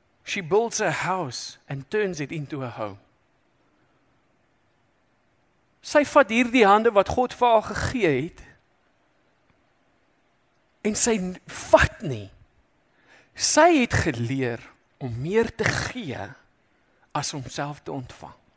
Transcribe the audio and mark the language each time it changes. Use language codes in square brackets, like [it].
[en] She builds a house and turns it into a home. [af] Sy vat hierdie hande wat God vir haar gegee het en sy vat nie. Sy het geleer om meer te gee as homself te ontvang.